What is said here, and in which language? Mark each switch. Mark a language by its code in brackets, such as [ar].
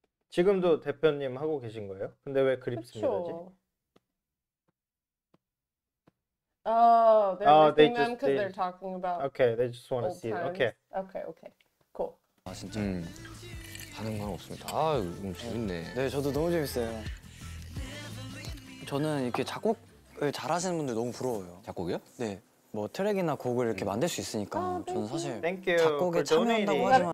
[ko] 지금도 대표님 하고 계신 거예요? 근데 왜 그립습니다지? [en] Oh, they're missing them because they're talking about. Okay, they just want to see. Times. Okay. Okay. Okay. Cool. [ko] 아 진짜 하는 건 없습니다. 아 너무 재밌네. 네, 저도 너무 재밌어요. 저는 이렇게 작곡을 잘하시는 분들 너무 부러워요. 작곡이요? 네. 뭐 트랙이나 곡을 이렇게 만들 수 있으니까 [en] oh, [ko] 저는 사실 [en] thank you. [ko] 작곡에 참여한다고 하지만